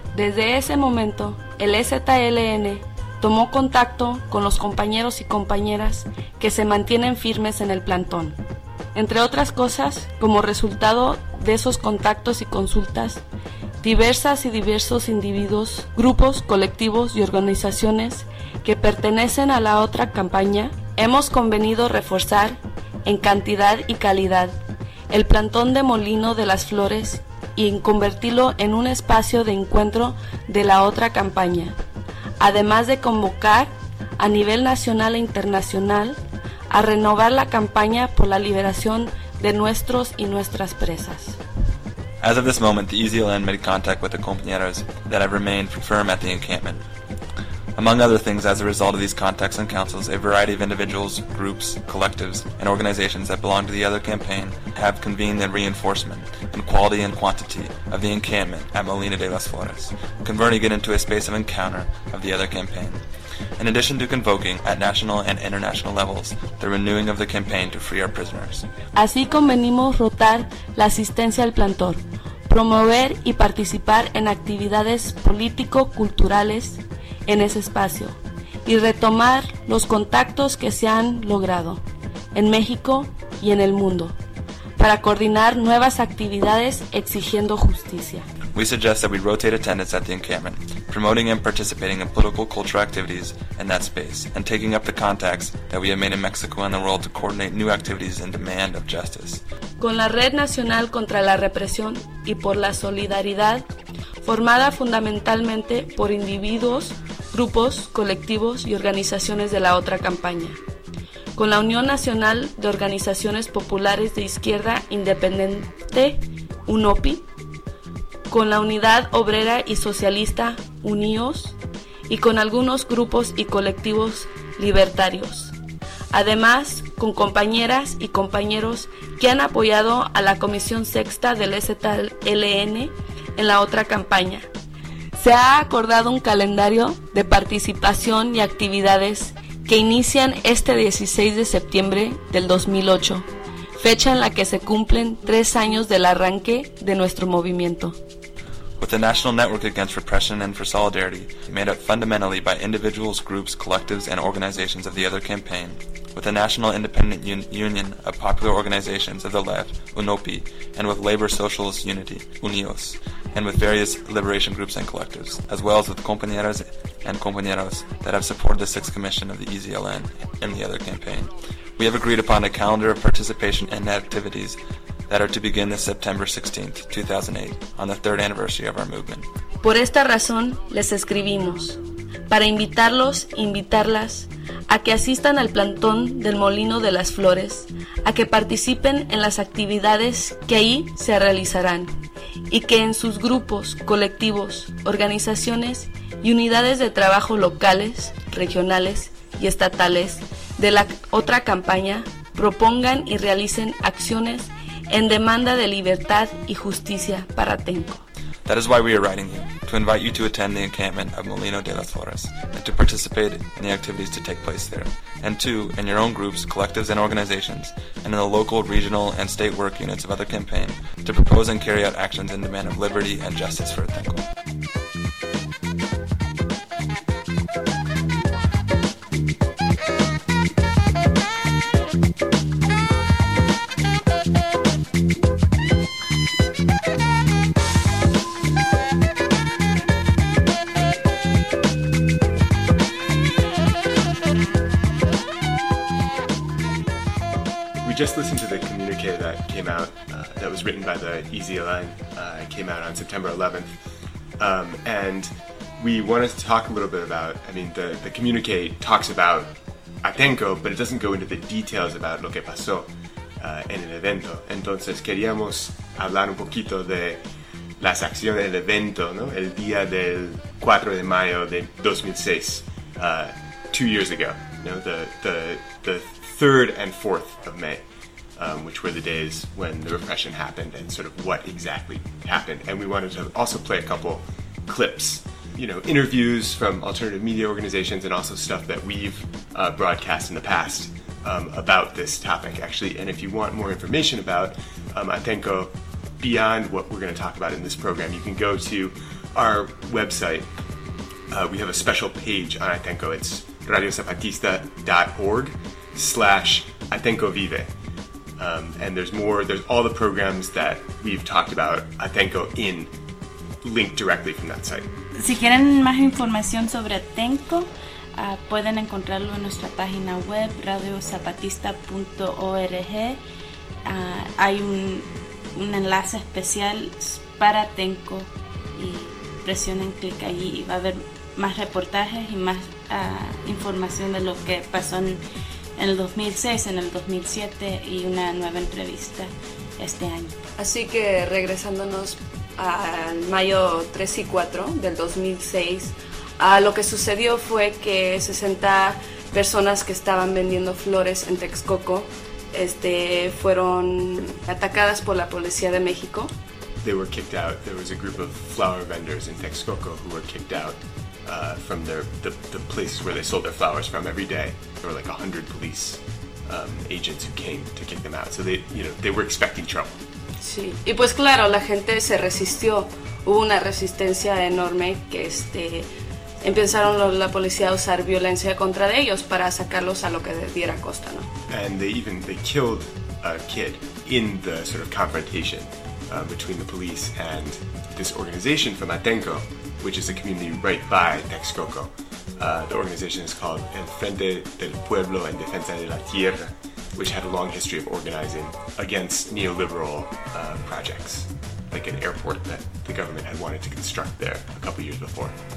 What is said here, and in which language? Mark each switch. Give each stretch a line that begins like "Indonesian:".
Spanish: Desde ese momento, el EZLN tomó contacto con los compañeros y compañeras que se mantienen firmes en el plantón. Entre otras cosas, como resultado de esos contactos y consultas, diversas y diversos individuos, grupos, colectivos y organizaciones que pertenecen a la otra campaña, hemos convenido reforzar, en cantidad y calidad, el plantón de Molino de las Flores y en convertirlo en un espacio de encuentro de la otra campaña, además de convocar a nivel nacional e internacional a renovar la campaña por la liberación de nuestros y nuestras presas.
English: As of this moment, the EZLN made contact with the compañeros that have remained firm at the encampment. Among other things, as a result of these contacts and councils, a variety of individuals, groups, collectives, and organizations that belong to the other campaign have convened a reinforcement in quality and quantity of the encampment at Molino de las Flores, converting it into a space of encounter of the other campaign. In addition to convoking, at national and international levels, the renewing of the campaign to free our prisoners.
Spanish: Así convenimos rotar la asistencia al plantón, promover y participar en actividades político-culturales en ese espacio, y retomar los contactos que se han logrado en México y en el mundo, para coordinar nuevas actividades exigiendo justicia.
English: We suggest that we rotate attendance at the encampment, promoting and participating in political cultural activities in that space, and taking up the contacts that we have made in Mexico and the world to coordinate new activities in demand of justice.
Spanish: Con la Red Nacional contra la Represión y por la Solidaridad, formada fundamentalmente por individuos, grupos, colectivos y organizaciones de la otra campaña. Con la Unión Nacional de Organizaciones Populares de Izquierda Independiente, UNOPI, con la Unidad Obrera y Socialista, UNIOS, y con algunos grupos y colectivos libertarios. Además, con compañeras y compañeros que han apoyado a la Comisión Sexta del EZLN en la otra campaña. Se ha acordado un calendario de participación y actividades que inician este 16 de septiembre del 2008, fecha en la que se cumplen 3 años del arranque de nuestro movimiento.
English: With the National Network Against Repression and for Solidarity, made up fundamentally by individuals, groups, collectives, and organizations of the other campaign, with the National Independent Union of Popular Organizations of the Left, UNOPI, and with Labor Socialist Unity, UNIOS, and with various liberation groups and collectives, as well as with compañeras and compañeros that have supported the Sixth Commission of the EZLN and the other campaign, we have agreed upon a calendar of participation and activities that are to begin this September 16th, 2008, on the third anniversary of our movement.
Spanish: Por esta razón, les escribimos, para invitarlos, invitarlas, a que asistan al plantón del Molino de las Flores, a que participen en las actividades que ahí se realizarán, y que en sus grupos, colectivos, organizaciones y unidades de trabajo locales, regionales y estatales de la otra campaña, propongan y realicen acciones en demanda de libertad y justicia para Tenco.
English: That is why we are writing you, to invite you to attend the encampment of Molino de las Flores, and to participate in the activities to take place there, and two, in your own groups, collectives, and organizations, and in the local, regional, and state work units of other campaigns, to propose and carry out actions in demand of liberty and justice for Tenco. Just listen to the communique that came out, that was written by the EZLN, came out on September 11th, and we wanted to talk a little bit about, I mean, the communique talks about Atenco, but it doesn't go into the details about
Spanish: lo que pasó en el evento. Entonces queríamos hablar un poquito de las acciones del evento, ¿no? El día del 4 de mayo de 2006,
English: 2 years ago. know, the 3rd and 4th of May, which were the days when the repression happened and sort of what exactly happened. And we wanted to also play a couple clips, you know, interviews from alternative media organizations and also stuff that we've broadcast in the past about this topic, actually. And if you want more information about Atenco beyond what we're going to talk about in this program, you can go to our website. We have a special page on Atenco. It's radiozapatista.org/Atenco Vive. And there's all the programs that we've talked about Atenco in linked directly from that site.
Spanish: Si quieren más información sobre Atenco, pueden encontrarlo en nuestra página web radiozapatista.org. Hay un enlace especial para Atenco y presionen clic allí y va a haber más reportajes y más información de lo que pasó en el 2006, en el 2007 y una nueva entrevista este año. Así que regresándonos al mayo 3 y 4 del 2006, lo que sucedió fue que 60 personas que estaban vendiendo flores en Texcoco fueron atacadas por la policía de México.
English: They were kicked out. There was a group of flower vendors in Texcoco who were kicked out from the places where they sold their flowers from every day. There were like 100 police agents who came to kick them out. So they, you know, they were expecting trouble.
Spanish: Sí. Y pues claro, la gente se resistió. Hubo una resistencia enorme que empezaron la policía a usar violencia contra ellos para sacarlos a lo que diera costa, ¿no?
English: And they killed a kid in the sort of confrontation between the police and this organization from Atenco, which is a community right by Texcoco. The organization is called El Frente del Pueblo en Defensa de la Tierra, which had a long history of organizing against neoliberal projects, like an airport that the government had wanted to construct there a couple years before.